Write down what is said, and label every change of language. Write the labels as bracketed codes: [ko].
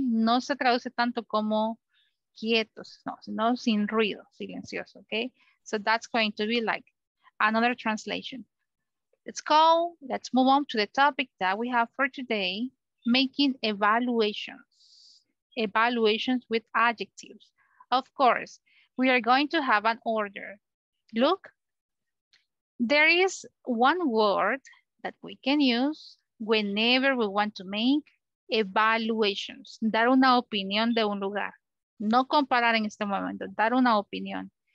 [es] No se traduce tanto como quietos, no, sino sin ruido. Silencioso. Okay. [en] So that's going to be like another translation. Let's go. Let's move on to the topic that we have for today. Making evaluations. Evaluations with adjectives. Of course, we are going to have an order. Look, there is one word that we can use whenever we want to make evaluations. [es] Dar una opinión de un lugar. No comparar en este momento, dar una opinión.